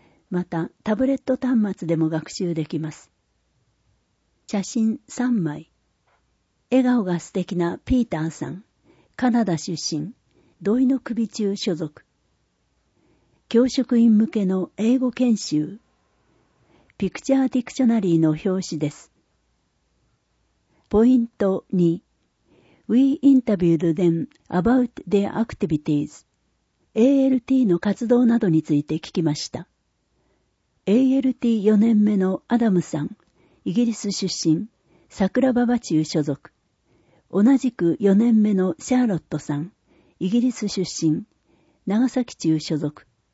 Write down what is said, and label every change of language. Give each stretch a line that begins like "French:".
Japanese: また、タブレット端末でも学習できます。写真3枚。笑顔が素敵なピーターさん。カナダ出身。土井の首中所属。教職員向けの英語研修。ピクチャーディクショナリーの表紙です。ポイント2。
English: We interviewed them about their activities.
Japanese: ALT の活動などについて聞きました。ALT4 年目のアダムさん、イギリス出身、桜馬場中所属。同じく4年目のシャーロットさん、イギリス出身、長崎中所属。